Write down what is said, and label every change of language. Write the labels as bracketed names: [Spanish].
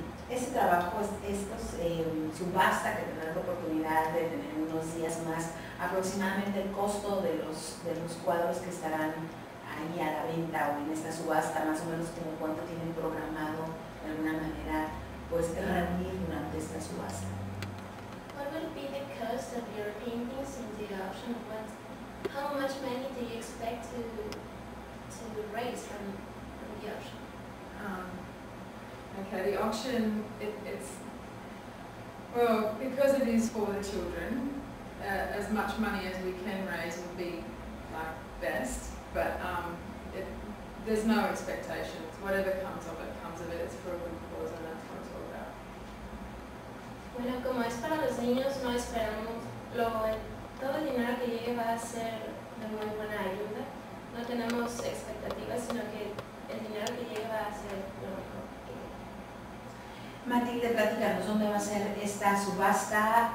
[Spanish] Este trabajo, subasta que tendrá la oportunidad de tener unos días más, aproximadamente el costo de los cuadros que estarán ahí a la venta o en esta subasta, más o menos como cuánto tienen programado de alguna manera pues rendir durante esta subasta. [English] What will be the cost of your paintings in the auction? How much money do you expect to raise from the auction? Okay, the auction it's well, because it is for the children, as much money as we can raise will be like best. But there's no expectations. Whatever comes of it, it's for a good cause, and that's what it's all about. [Spanish] Bueno, como es para los niños, no esperamos todo el dinero que llegue va a ser de muy buena ayuda. No tenemos expectativas, sino que el dinero que llegue va a ser lo mejor. Matilde, platícanos, ¿dónde va a ser esta subasta?